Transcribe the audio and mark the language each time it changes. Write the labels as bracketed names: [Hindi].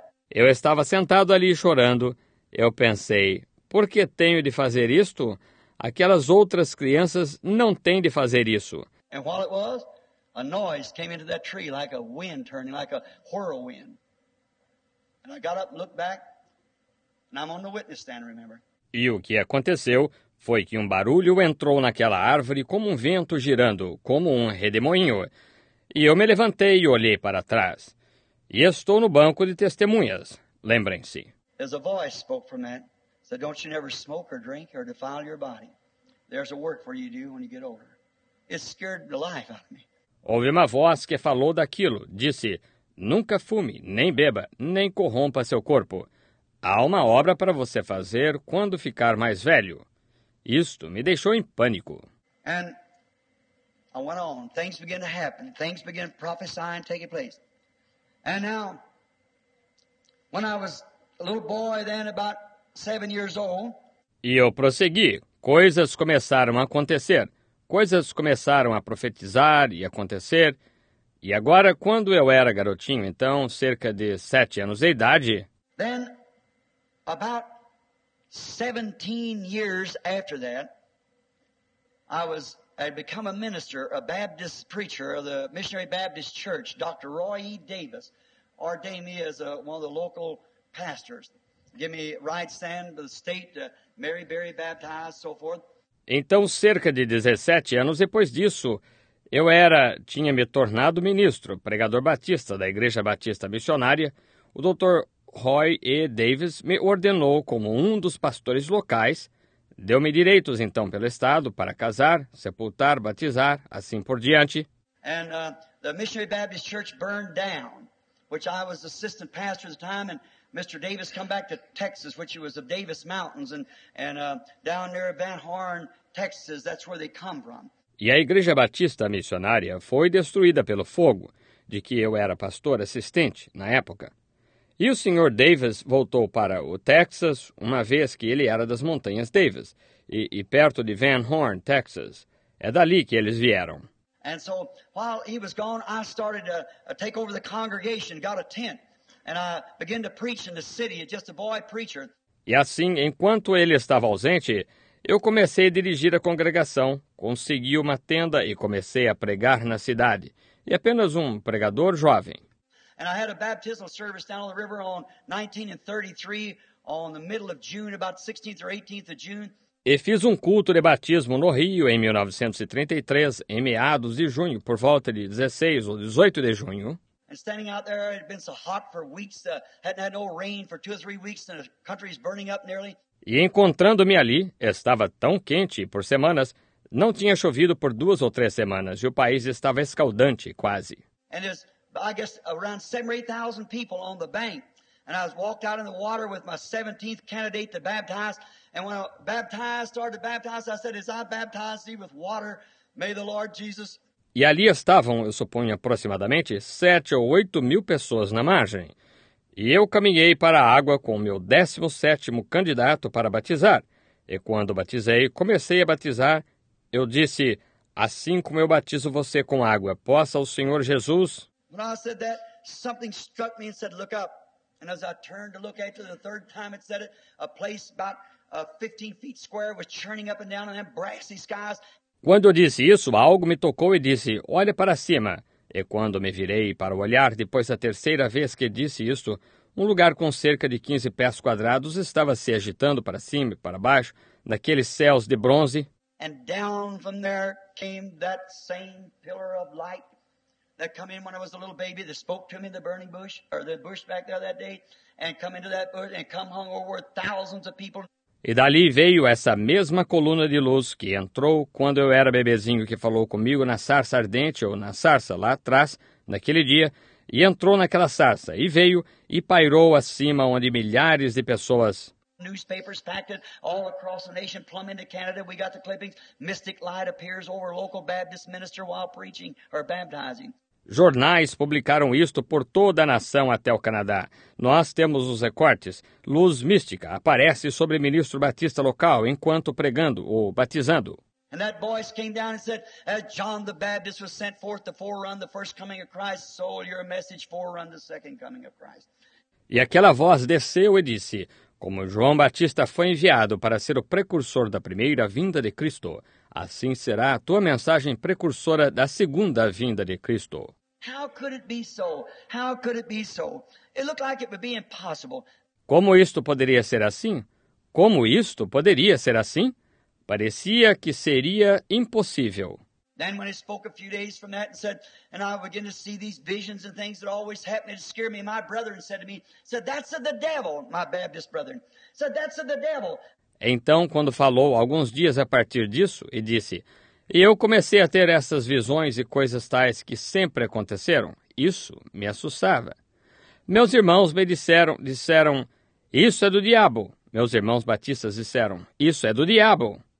[Portuguese] Eu estava sentado ali chorando. Eu pensei, por que tenho de fazer isto? Aquelas outras crianças não têm de fazer isso. [English] And while it was, a noise came into that tree like a wind turning, like a whirlwind. And I got up and looked back, and I'm on the witness stand, remember? [Portuguese] E o que aconteceu foi que um barulho entrou naquela árvore como um vento girando, como um redemoinho. E eu me levantei e olhei para trás. E estou no banco de testemunhas, lembrem-se. [English] There's a voice spoke from that. Said, don't you never smoke or drink or defile your body. There's a work for you to do when you get older. It scared the life out of me. [Portuguese] Houve uma voz que falou daquilo. Disse, nunca fume, nem beba, nem corrompa seu corpo. Há uma obra para você fazer quando ficar mais velho. Isto me deixou em pânico. [English] And I went on. Things began to happen. Things began to prophesy and take place. And now, when I was a little boy then, about 7 years old. [Portuguese] E eu prossegui. Coisas começaram a acontecer. Coisas começaram a profetizar e acontecer. E agora, quando eu era garotinho, então, cerca de 7 anos de idade. [English] Then, about 17 years after that, I'd become a minister, a Baptist preacher of the Missionary Baptist Church. Dr. Roy E. Davis ordained me as one of the local pastors. Give me right stand to the state, Mary Berry baptized, so forth. [Portuguese] Então, cerca de 17 anos depois disso, tinha me tornado ministro, pregador batista da Igreja Batista Missionária. O Dr. Roy E. Davis me ordenou como um dos pastores locais. Deu-me direitos, então, pelo Estado, para casar, sepultar, batizar, assim por diante. [English] And the Missionary Baptist Church burned down, which I was assistant pastor at the time, and Mr. Davis come back to Texas, which was the Davis Mountains, down near Van Horn, Texas, that's where they come from. [Portuguese] E a Igreja Batista Missionária foi destruída pelo fogo, de que eu era pastor assistente na época. E o Sr. Davis voltou para o Texas, uma vez que ele era das Montanhas Davis, e perto de Van Horn, Texas. É dali que eles vieram. [English] And so, while he was gone, I started to take over the congregation, got a tent. And I began to preach in the city, just a boy preacher. [Portuguese] E assim, enquanto ele estava ausente, eu comecei a dirigir a congregação, consegui uma tenda e comecei a pregar na cidade. E apenas um pregador jovem. [English] And I had a baptismal service down on the river on 1933, on the middle of June, about 16th or 18th of June. [Portuguese] E fiz um culto de batismo no Rio em 1933, em meados de junho, por volta de 16 ou 18 de junho. [English] And standing out there, it had been so hot for weeks, hadn't had no rain for 2 or 3 weeks, and the country's burning up nearly. [Portuguese] E encontrando-me ali, estava tão quente por semanas, não tinha chovido por 2 ou 3 semanas, e o país estava escaldante, quase. [English] And there's, I guess, around 7,000 or 8,000 people on the bank. And I walked out in the water with my 17th candidate to baptize. And when I started to baptize, I said, as I baptize thee with water, may the Lord Jesus... [Portuguese] E ali estavam, eu suponho, aproximadamente 7 ou 8 mil pessoas na margem. E eu caminhei para a água com o meu 17º candidato para batizar. E quando batizei, comecei a batizar, eu disse, assim como eu batizo você com água, possa o Senhor Jesus... [English] When I said that, something struck me and said, look up. And as I turned to look at it, the third time it said it, a place about 15 feet square was churning up and down in them brassy skies. [Portuguese] Quando eu disse isso, algo me tocou e disse, olha para cima. E quando me virei para olhar, depois da terceira vez que disse isso, um lugar com cerca de 15 pés quadrados estava se agitando para cima e para baixo, naqueles céus de bronze. [English] And down from there came that same pillar of light that come in when I was a little baby, that spoke to me in the burning bush, or the bush back there that day, and come into that bush and come hung over thousands of people. [Portuguese] E dali veio essa mesma coluna de luz que entrou quando eu era bebezinho que falou comigo na sarça ardente, ou na sarça lá atrás, naquele dia, e entrou naquela sarça, e veio, e pairou acima onde milhares de pessoas... [English] Newspapers packed all across the nation, plumb into Canada. We got the clippings. Mystic light appears over local Baptist minister while preaching or baptizing. [Portuguese] Jornais publicaram isto por toda a nação até o Canadá. Nós temos os recortes. Luz mística aparece sobre ministro batista local enquanto pregando ou batizando. [English] And that voice came down and said, as John the Baptist was sent forth to forerun the first coming of Christ, so your message forerun the second coming of Christ. [Portuguese] E aquela voz desceu e disse, como João Batista foi enviado para ser o precursor da primeira vinda de Cristo, Assim será a tua mensagem precursora da segunda vinda de Cristo. [English] How could it be so? How could it be so? It looked like it would be impossible. [Portuguese] Como isto poderia ser assim? Como isto poderia ser assim? Parecia que seria impossível. [English] Then when I spoke a few days from that and said, and I began to see these visions and things that always happened to scare me, my brother said to me, said, that's of the devil, my Baptist brother, said, that's of the devil. [Portuguese] Então, quando falou alguns dias a partir disso, e disse, e eu comecei a ter essas visões e coisas tais que sempre aconteceram, isso me assustava. Meus irmãos me disseram, isso é do diabo. Meus irmãos batistas disseram, isso é do diabo.